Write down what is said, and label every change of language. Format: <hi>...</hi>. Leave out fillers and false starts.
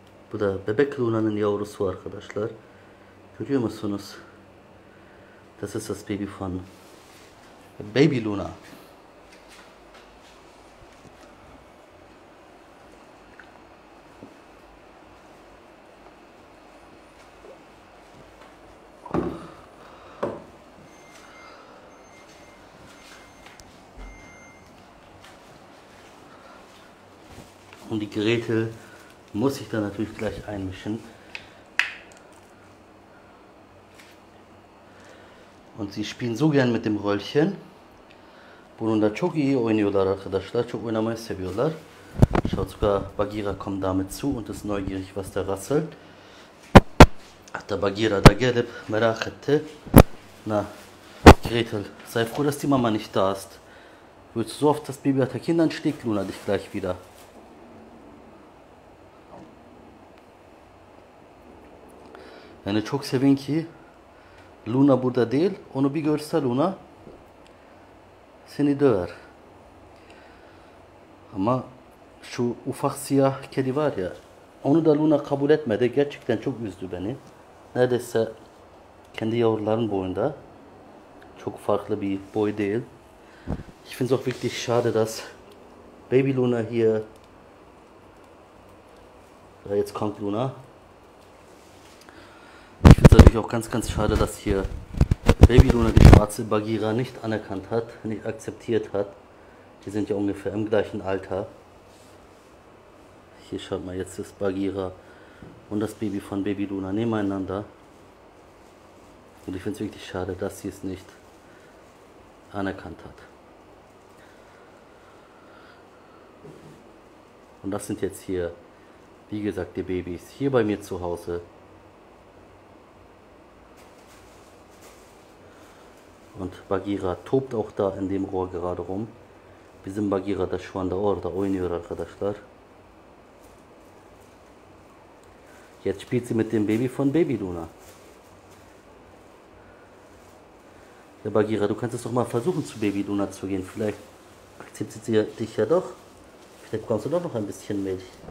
<tr>Bu da Bebek Luna'nın yavrusu arkadaşlar. Görüyor musunuz?</tr> <de>Das ist das Baby von Baby Luna. Und die Geräte muss ich dann natürlich gleich einmischen. Und sie spielen so gern mit dem Röllchen.</de> <tr>Bununla çok iyi oynuyorlar arkadaşlar. Çok oynamayı seviyorlar.</tr> <de>Schaut, sogar Bagheera kommt damit zu und ist neugierig, was da rasselt.</de> <tr>Hatta Bagheera da gelip merak etti.</tr> <de>Na, Gretel, sei froh, dass die Mama nicht da ist. Willst du so oft das Baby attackieren, dann schlägt Luna dich gleich wieder.</de> <tr>Yani çok sevin ki Luna burada değil, onu bir görse Luna seni döver. Ama şu ufak siyah kedi var ya, onu da Luna kabul etmedi. Gerçekten çok üzdü beni. Neredeyse kendi yavruların boyunda. Çok farklı bir boy değil.</tr> <de>Ich finde es auch wirklich schade, dass Baby Luna hier... Jetzt kommt Luna. Auch ganz, ganz schade, dass hier Baby Luna die schwarze Bagheera nicht anerkannt hat, nicht akzeptiert hat. Die sind ja ungefähr im gleichen Alter. Hier schaut mal, jetzt ist Bagheera und das Baby von Baby Luna nebeneinander. Und ich finde es wirklich schade, dass sie es nicht anerkannt hat. Und das sind jetzt hier, wie gesagt, die Babys hier bei mir zu Hause. Und Bagheera tobt auch da in dem Rohr gerade rum.</de> <tr>Bizim Bagheera da şu anda orada oynuyor arkadaşlar.</tr> <de>Jetzt spielt sie mit dem Baby von Baby Luna. Ja, Bagheera, du kannst es doch mal versuchen, zu Baby Luna zu gehen. Vielleicht akzeptiert sie dich ja doch. Vielleicht bekommst du doch noch ein bisschen Milch.</de>